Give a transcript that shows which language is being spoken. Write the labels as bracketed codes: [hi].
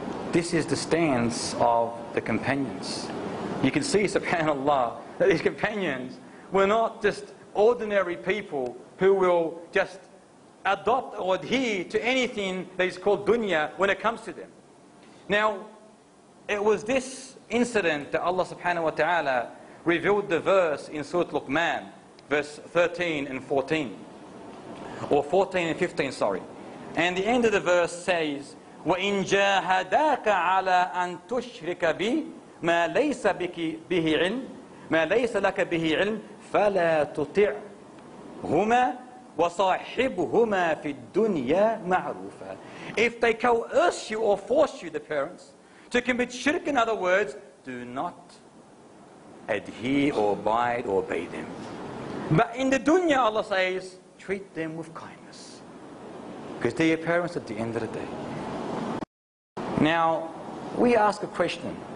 [en] This is the stance of the companions. You can see, subhanAllah, that these companions were not just ordinary people who will just adopt or adhere to anything that is called dunya when it comes to them. Now, it was this incident that Allah subhanahu wa ta'ala revealed the verse in Surah Luqman, verse 13 and 14, or 14 and 15, sorry. And the end of the verse says, [ar] وَإِن جَاهَدَاكَ عَلَىٰ أَن تُشْرِكَ بِي مَا لَيْسَ بِكِ بِهِ عِلْمٍ مَا لَيْسَ لَكَ بِهِ عِلْمٍ فَلَا تُطِعْهُمَا وَصَاحِبْهُمَا فِي الدُّنْيَا مَعْرُوفًا. [en] If they coerce you or force you, the parents, to commit shirk, in other words, do not adhere or abide or obey them. But in the dunya, Allah says, treat them with kindness. Because they're your parents at the end of the day. Now, we ask a question.